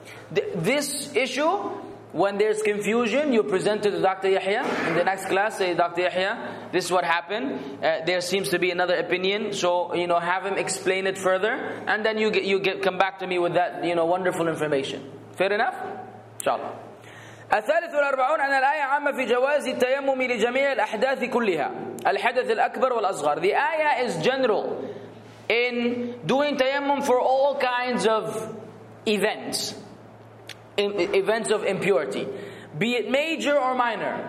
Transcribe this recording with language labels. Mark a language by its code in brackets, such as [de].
[en] This issue, when there's confusion, you present it to Dr. Yahya. In the next class, say, Dr. Yahya, this is what happened. There seems to be another opinion. So, you know, have him explain it further. And then you come back to me with that, you know, wonderful information. Fair enough? Inshallah. [ar] الثالث والأربعون أن الآية عامة في جواز التيمم لجميع الأحداث كلها. الحدث الأكبر والأصغر. [en] The ayah is general in doing tayammum for all kinds of events. Events of impurity, be it major or minor.